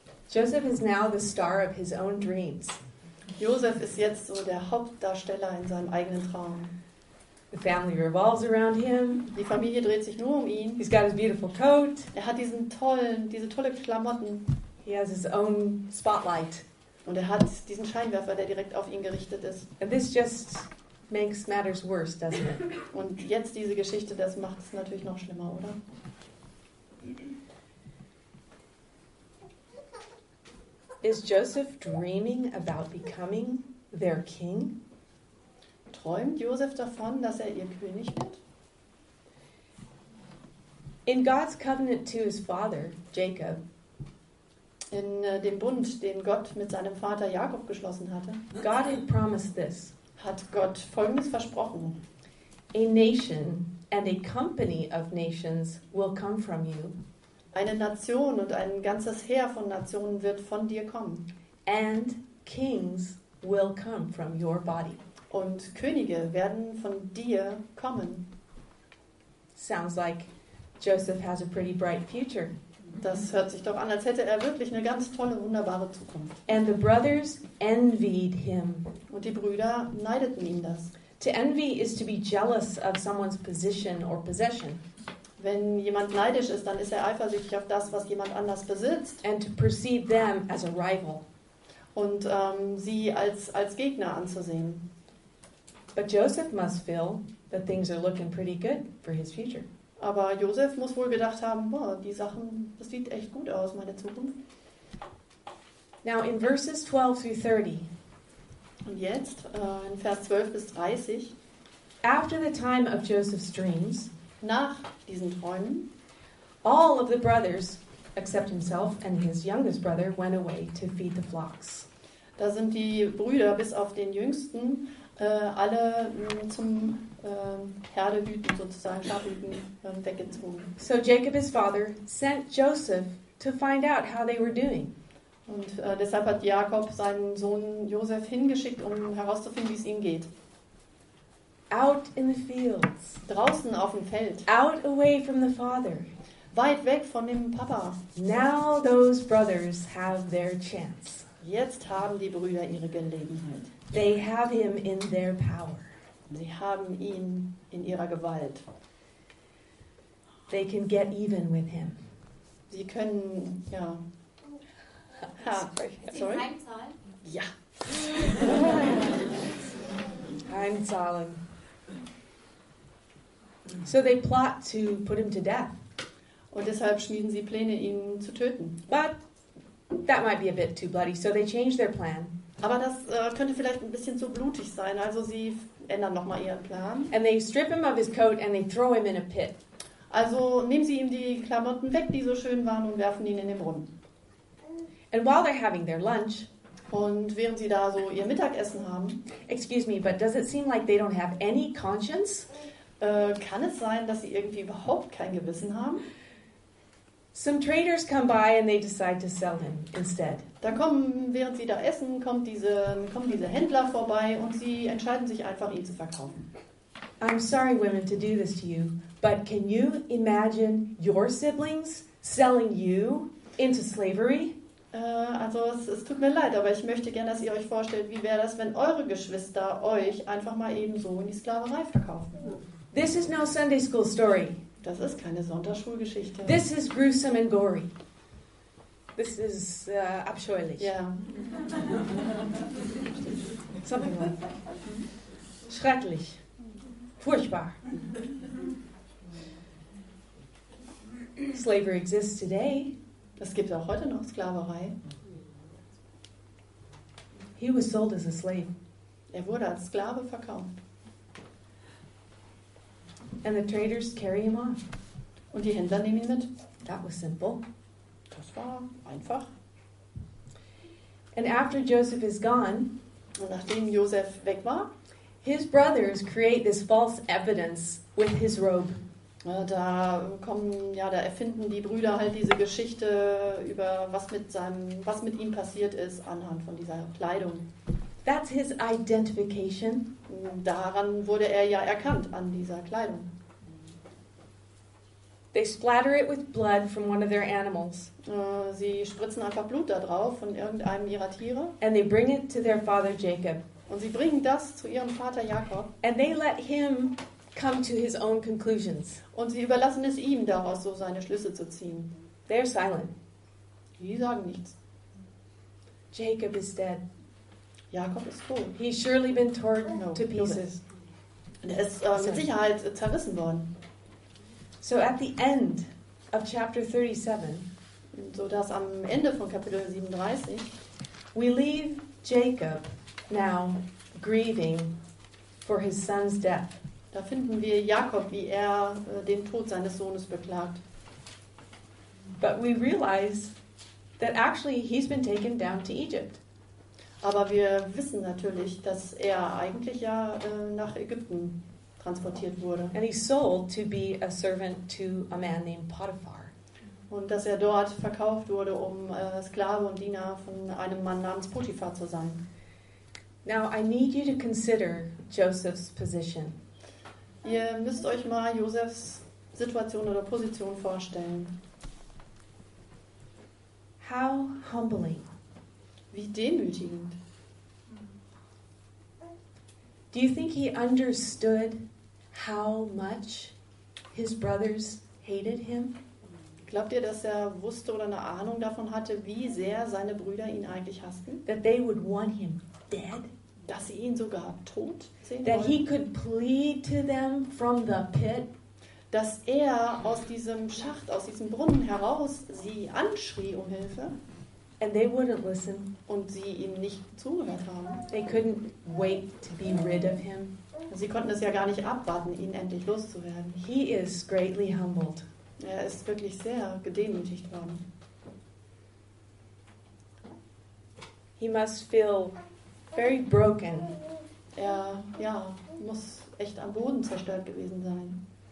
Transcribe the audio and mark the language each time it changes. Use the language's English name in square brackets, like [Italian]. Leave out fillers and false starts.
[English] Joseph is now the star of his own dreams. [German] Joseph ist jetzt so der Hauptdarsteller in seinem eigenen Traum. [English] The family revolves around him. [German] Die Familie dreht sich nur um ihn. [English] He's got his beautiful coat. [German] Er hat diesen tollen, diese tolle Klamotten. [English] He has his own spotlight. [German] Und er hat diesen Scheinwerfer, der direkt auf ihn gerichtet ist. [English] And this just makes matters worse, doesn't it? [German] Und jetzt diese Geschichte, das macht es natürlich noch schlimmer, oder? [English] Is Joseph dreaming about becoming their king? [German] Träumt Joseph davon, dass er ihr König wird? [English] In God's covenant to his father, Jacob, [German] in dem Bund, den Gott mit seinem Vater Jakob geschlossen hatte, [English] God had promised this. [German] Hat Gott Folgendes versprochen: [English] A nation and a company of nations will come from you. [German] Eine Nation und ein ganzes Heer von Nationen wird von dir kommen. [English] And kings will come from your body. [German] Und Könige werden von dir kommen. [English] Sounds like Joseph has a pretty bright future. [German] Das hört sich doch an, als hätte er wirklich eine ganz tolle, wunderbare Zukunft. [English] And the brothers envied him. [German] Und die Brüder neideten ihm das. [English] To envy is to be jealous of someone's position or possession. [German] Wenn jemand neidisch ist, dann ist er eifersüchtig auf das, was jemand anders besitzt. [English] And to perceive them as a rival. [German] Und sie als Gegner anzusehen. [English] But Joseph must feel that things are looking pretty good for his future. [German] Aber Joseph muss wohl gedacht haben, boah, die Sachen, das sieht echt gut aus, meine Zukunft. [English] Now in verses 12 through 30. [German] Und jetzt in Vers 12 bis 30. [English] After the time of Joseph's dreams, [German] nach diesen Träumen, [English] all of the brothers except himself and his youngest brother went away to feed the flocks. [German] Da sind die Brüder bis auf den jüngsten alle zum Herdehüten sozusagen, Schafhüten weggezogen. [English] So Jacob, his father, sent Joseph to find out how they were doing. [German] Und deshalb hat Jakob seinen Sohn Joseph hingeschickt, um herauszufinden, wie es ihm geht. [English] Out in the fields. [German] Draußen auf dem Feld. [English] Out away from the father. [German] Weit weg von dem Papa. [English] Now those brothers have their chance. [German] Jetzt haben die Brüder ihre Gelegenheit. [English] They have him in their power. [German] Sie haben ihn in ihrer Gewalt. [English] They can get even with him. [German] Sie können, ja. [English] Sorry. [German] Ja. Heimzahlen. [English] So they plot to put him to death. [German] Und deshalb schmieden sie Pläne, ihn zu töten. [English] But that might be a bit too bloody, so they change their plan. [German] Aber das könnte vielleicht ein bisschen zu blutig sein, also sie ändern noch mal ihren Plan. [English] And they strip him of his coat and they throw him in a pit. [German] Also nehmen sie ihm die Klamotten weg, die so schön waren, und werfen ihn in den Brunnen. [English] And while they're having their lunch, [German] und während sie da so ihr Mittagessen haben, [English] excuse me, but does it seem like they don't have any conscience? [German] Kann es sein, dass sie irgendwie überhaupt kein Gewissen haben? [English] Some traders come by and they decide to sell him instead. [German] Da kommen, während sie da essen, kommen diese Händler vorbei und sie entscheiden sich einfach, ihn zu verkaufen. [English] I'm sorry, women, to do this to you, but can you imagine your siblings selling you into slavery? [German] Also es tut mir leid, aber ich möchte gerne, dass ihr euch vorstellt, wie wäre das, wenn eure Geschwister euch einfach mal eben so in die Sklaverei verkaufen? [English] This is no Sunday school story. [German] Das ist keine Sonntagsschulgeschichte. [English] This is gruesome and gory. This is [German] abscheulich. [English] Yeah. Something like that. [German] Schrecklich. Furchtbar. [English] Slavery exists today. [German] Es gibt auch heute noch Sklaverei. [English] He was sold as a slave. [German] Er wurde als Sklave verkauft. [English] And the traders carry him off. [German] Und die Händler nehmen ihn mit. [English] That was simple. [German] Das war einfach. [English] And after Joseph is gone, [German] und nachdem Joseph weg war, [English] his brothers create this false evidence with his robe. [German] Da kommen, ja, da erfinden die Brüder halt diese Geschichte über was mit ihm passiert ist anhand von dieser Kleidung. [English] That's his identification. [German] Daran wurde er ja erkannt, an dieser Kleidung. [English] They splatter it with blood from one of their animals. [German] Sie spritzen einfach Blut da drauf von irgendeinem ihrer Tiere. [English] And they bring it to their father Jacob. [German] Und sie bringen das zu ihrem Vater Jakob. [English] And they let him come to his own conclusions. [German] Und sie überlassen es ihm, daraus so seine Schlüsse zu ziehen. [English] They're silent. [German] Die sagen nichts. [English] Jacob is dead. [German] Jakob ist tot. [English] He's surely been torn to pieces. [German] Er ist mit Sicherheit zerrissen worden. [English] So at the end of chapter 37, [German] so dass am Ende von Kapitel 37, [English] we leave Jacob now grieving for his son's death. [German] Da finden wir Jakob, wie er den Tod seines Sohnes beklagt. [English] But we realize that actually he's been taken down to Egypt. [German] Aber wir wissen natürlich, dass er eigentlich ja nach Ägypten transportiert wurde. [English] And he's sold to be a servant to a man named Potiphar. [German] Und dass er dort verkauft wurde, um Sklave und Diener von einem Mann namens Potiphar zu sein. [English] Now I need you to consider Joseph's position. [German] Ihr müsst euch mal Josefs Situation oder Position vorstellen. [English] How humbling. [German] Wie demütigend. [English] Do you think he understood how much his brothers hated him. [German] Glaubt ihr, dass er wusste oder eine Ahnung davon hatte, wie sehr seine Brüder ihn eigentlich hassten? [English] That they would want him dead. [German] Dass sie ihn sogar tot sehen [English] That [German] wollen. [English] He could plead to them from the pit. [German] Dass er aus diesem Schacht, aus diesem Brunnen heraus sie anschrie um Hilfe. [English] And they wouldn't listen. [German] Und sie ihm nicht zugehört haben. [English] They couldn't wait to be rid of him. [German] Sie konnten es ja gar nicht abwarten, ihn endlich loszuwerden. [English] He is greatly humbled. [German] Er ist wirklich sehr gedemütigt worden. [English] He must feel very broken. [German] Er, ja, muss echt am Boden zerstört gewesen sein.